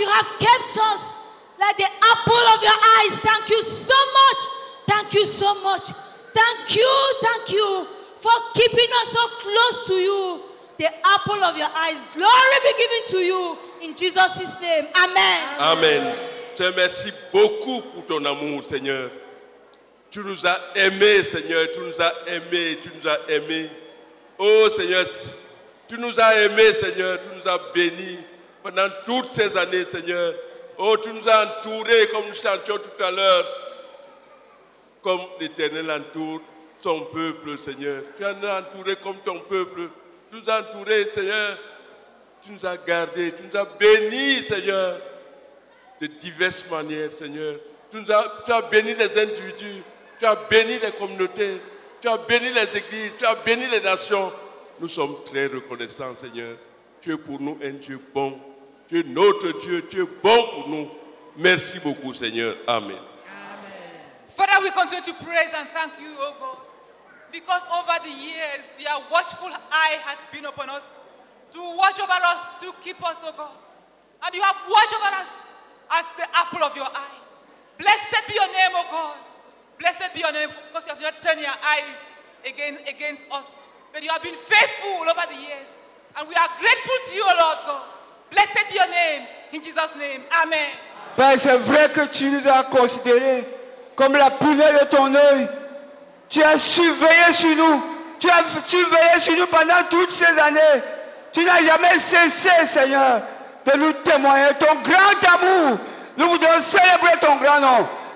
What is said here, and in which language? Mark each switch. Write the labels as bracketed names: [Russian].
[English] You have kept us like the apple of your eyes. Thank you so much. Thank you so much. Thank you. Thank you for keeping us so close to you. The apple of your eyes. Glory be given to you in Jesus' name. Amen. Amen. [French] Je te remercie beaucoup pour ton amour, Seigneur. Tu nous as aimés, Seigneur. Tu nous as aimés. Tu nous as aimés. Oh, Seigneur, tu nous as aimés, Seigneur. Tu nous as bénis pendant toutes ces années, Seigneur. Oh, tu nous as entourés, comme nous chantions tout à l'heure, comme l'Éternel entoure son peuple, Seigneur. Tu nous as entourés comme ton peuple. Tu nous as entourés, Seigneur. Tu nous as gardés. Tu nous as bénis, Seigneur, de diverses manières, Seigneur. Tu as béni les individus, tu as béni les communautés, tu as béni les églises, tu as béni les nations. Nous sommes très reconnaissants, Seigneur. Tu es pour nous un Dieu bon. Tu es notre Dieu, tu es bon pour nous. Merci beaucoup, Seigneur. Amen. Amen. [English] Father, we continue to praise and thank you, O God, because over the years, your watchful eye has been upon us to watch over us, to keep us, O God. And you have watched over us as the apple of your eye. Blessed be your name, O God. Blessed be your name, because you have not turned your eyes against us. But you have been faithful over the years. And we are grateful to you, O Lord God. Blessed be your name, in Jesus' name. Amen. [French] Père, c'est vrai que tu nous as considérés comme la prunelle de ton œil. Tu as surveillé sur nous. Tu as surveillé sur nous pendant toutes ces années. Tu n'as jamais cessé, Seigneur, de nous témoigner ton grand amour. Nous voulons célébrer ton grand nom.